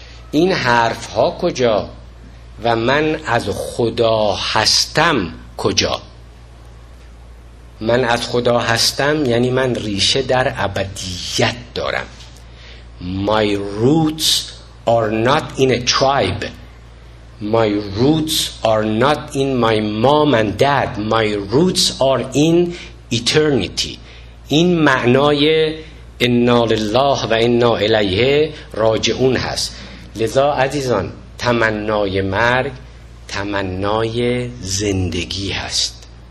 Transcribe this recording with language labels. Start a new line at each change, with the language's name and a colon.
Persian: این حرف ها کجا و من از خدا هستم کجا؟ من از خدا هستم یعنی من ریشه در ابدیت دارم.
English: My roots are not in a tribe. My roots are not in my mom and dad. My roots are in eternity.
Persian: این معنای
Arabic: انا لله و انا الیه راجعون
Persian: هست. لذا عزیزان، تمنای مرگ تمنای زندگی هست.